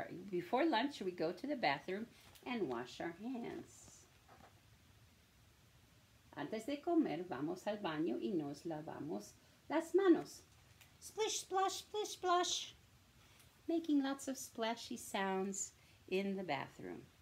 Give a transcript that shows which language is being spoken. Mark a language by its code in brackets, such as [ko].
[en] before lunch, we go to the bathroom and wash our hands. [es] Antes de comer, vamos al baño y nos lavamos las manos. Splish, splash, splish, splash. [en] Making lots of splashy sounds in the bathroom.